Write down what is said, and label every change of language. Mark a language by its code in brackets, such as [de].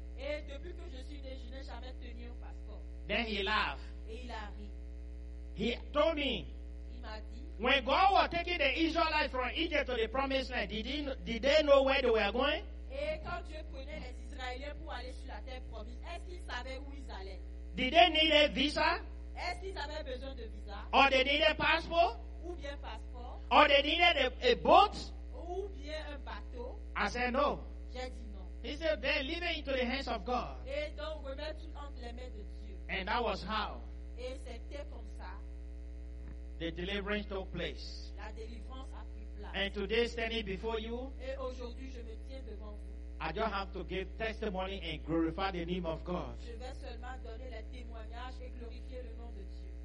[fr] Et depuis que je suis né, je n'ai jamais tenu un passeport. [en] Then he laughed. [fr] Et il a ri. [en] He told me. [fr] Il m'a dit. [en] When God was taking the Israelites from Egypt to the Promised Land, did they know where they were going? [fr] Et quand Dieu prenait les Israéliens pour aller sur la terre promise, est-ce qu'ils savaient où ils allaient? [en] Did they need a visa? [fr] Est-ce qu'ils avaient besoin de visa? [en] Or they needed a passport? [fr] Ou bien passeport? [en] Or they needed a boat? [fr] Ou bien un bateau? [en] I said no. [fr] J'ai dit non. [en] He said, then leave it into the hands of God. [fr] Et donc remets tout entre les mains de Dieu. [en] And that was how. [fr] Et c'était comme ça. [en] The deliverance took place. [fr] La délivrance a pris place. [en] And today standing before you. [fr] Et aujourd'hui je me tiens devant vous. [en] I don't have to give testimony and glorify the name of God. [fr] Je vais seulement donner les témoignages et glorifier le nom de Dieu.